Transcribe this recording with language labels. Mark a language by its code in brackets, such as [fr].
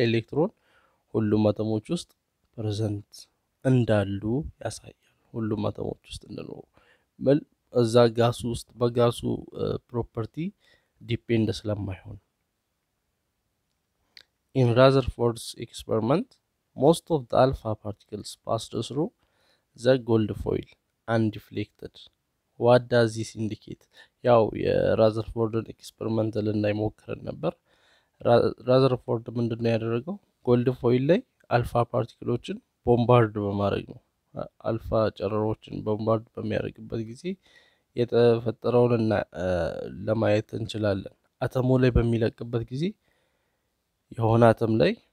[am] ኤሌክትሮን ሁሉም አተሞች ውስጥ ፕሬዘንት እንዳሉ ያሳያል። ሁሉም አተሞች ውስጥ እንደኖሩ ምን እዛ ጋሱ ውስጥ በጋሱ ፕሮፐርቲ ዲፔንድ ስለማይሆን [en] ኢን ራዘርፎርድስ ኤክስፐሪመንት most of the alpha particles pass through the gold foil undeflected. What does this indicate? [am] ያው የራዘርፎርድን ኤክስፐሪመንት ለማይሞክር ነበር ራዘርፎርድ ምንድነው ያደረገው ጎልድ ፎይል ላይ አልፋ ፓርቲክሎችን ቦምባርድ በማድረግ ነው አልፋ ጨረሮችን ቦምባርድ በሚያደርግበት ጊዜ የተፈጠረውን ለማየት እንችላለን አተሙ ላይ በሚለቅበት ጊዜ የሆነ አተም ላይ